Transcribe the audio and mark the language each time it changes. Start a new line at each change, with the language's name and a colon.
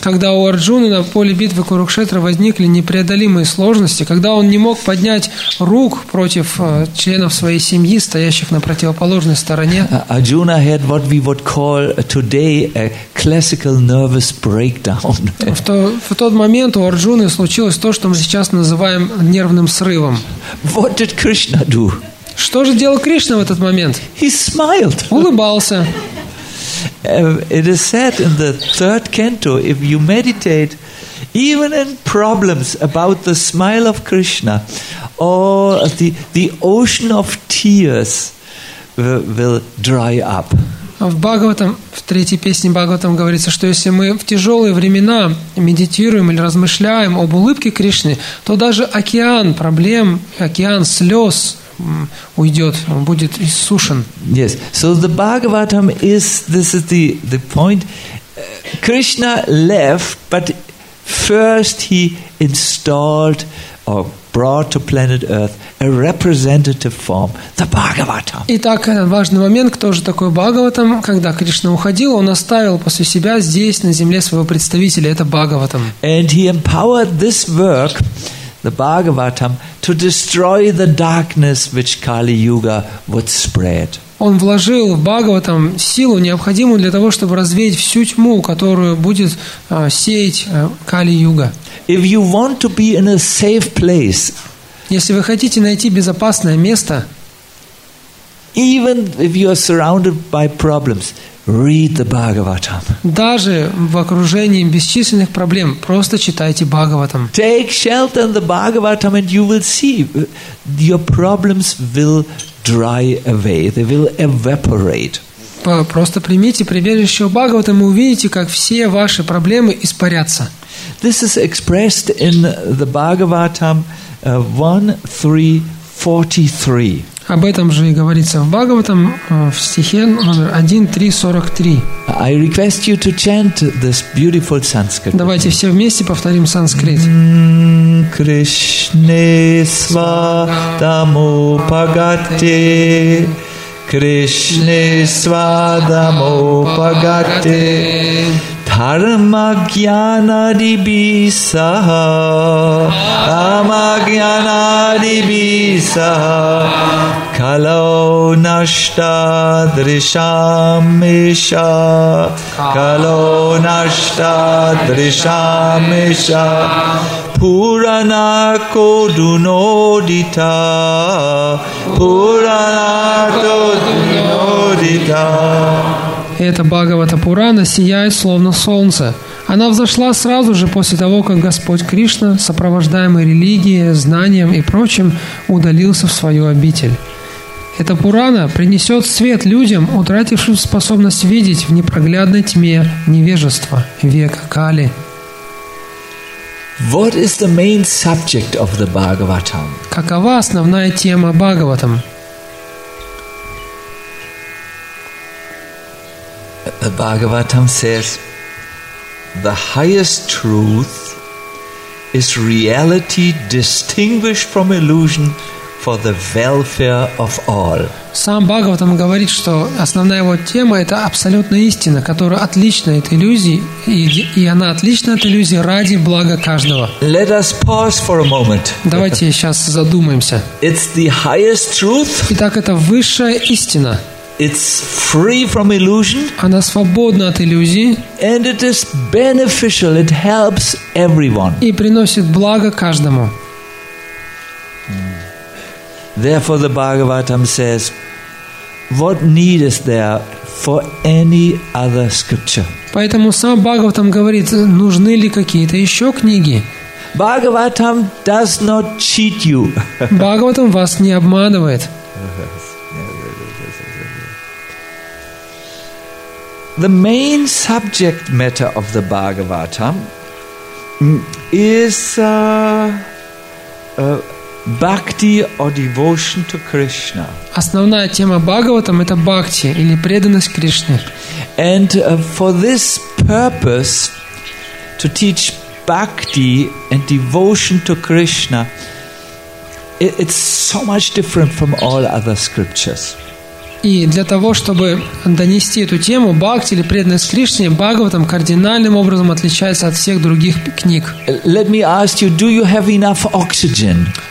Russian: Когда у Арджуны на поле битвы Курукшетра возникли непреодолимые сложности, когда он не мог поднять рук против членов своей семьи, стоящих на противоположной стороне.
English: Arjuna had what we would call today a classical nervous breakdown.
Russian: В тот момент у Арджуны случилось то, что мы сейчас называем нервным срывом.
English: What did Krishna do?
Russian: Что же делал Кришна в этот момент?
English: He smiled.
Russian: Улыбался.
English: It is said in the third canto, if you meditate even in problems about the smile of Krishna, or the ocean of tears will dry up.
Russian: В Бхагаватам, в третьей песне Бхагаватам говорится, что если мы в тяжелые времена медитируем или размышляем об улыбке Кришны, то даже океан проблем, океан слез уйдет, он будет иссушен.
English: Yes, so the Bhagavatam is, this is the point. Krishna left, but first he installed or brought to planet Earth a representative form, the Bhagavatam.
Russian: Итак, важный момент, кто же такой Бхагаватам? Когда Кришна уходил, он оставил после себя здесь, на земле, своего представителя, это Бхагаватам.
English: And he empowered this work, the Bhagavatam, to destroy the darkness which Kali Yuga would spread.
Russian: Он вложил в Бхагаватам силу, необходимую для того, чтобы развеять всю тьму, которую будет сеять Кали-юга.
English: If you want to be in a safe place,
Russian: если вы хотите найти безопасное место,
English: even if you are surrounded by problems, read the Bhagavatam.
Russian: Даже в окружении бесчисленных проблем, просто читайте Бхагаватам.
English: Take shelter in the Bhagavatam and you will see your problems will dry away, they will evaporate.
Russian: Просто примите прибежище у Бхагаватам и увидите, как все ваши проблемы испарятся.
English: This is expressed in the Bhagavatam 1.3.43.
Russian: Об этом же и говорится в Бхагаватам в стихе номер 1.3.43.
English: I request you to chant this beautiful Sanskrit.
Russian: Давайте все вместе повторим санскрит.
Sanskrit: Кришне свадаму пагате, Кришне свадаму пагате, Dharma jnana dibisaha, Dharma jnana dibisaha, Kalau nashta drisham isha, Kalau nashta drisham isha, Purana kodunodita, Purana kodunodita.
Russian: Эта Бхагавата Пурана сияет словно солнце. Она взошла сразу же после того, как Господь Кришна, сопровождаемый религией, знанием и прочим, удалился в свою обитель. Эта Пурана принесет свет людям, утратившим способность видеть в непроглядной тьме невежества века Кали.
English: What is the main subject of the Bhagavatam?
Russian: Какова основная тема Бхагаватам?
English: The Bhagavatam says the highest truth is reality distinguished from illusion for the welfare of all.
Russian: Сам Бхагаватам говорит, что основная его тема – это абсолютная истина, которая отлична от иллюзий, и она отлична от иллюзий ради блага каждого.
English: Let us pause for a moment.
Russian: Давайте сейчас задумаемся.
English: It's the highest truth.
Russian: Итак, это высшая истина.
English: It's free from illusion.
Russian: Она свободна от иллюзий.
English: And it is beneficial. It helps everyone.
Russian: И приносит благо каждому.
English: Therefore, the Bhagavatam says, "What need is there for any other scripture?"
Russian: Поэтому сам Бхагаватам говорит, нужны ли какие-то еще книги?
English: Bhagavatam does not cheat you.
Russian: Бхагаватам вас не обманывает.
English: The main subject matter of the Bhagavatam is bhakti or devotion to Krishna.
Russian: Основная тема Бхагаватам это бхакти или преданность Кришне.
English: And for this purpose, to teach bhakti and devotion to Krishna, it's so much different from all other scriptures.
Russian: И для того, чтобы донести эту тему, бхакти или преданность Кришне, Бхагаватам кардинальным образом отличается от всех других книг.
English: Let me ask you, do you have enough oxygen?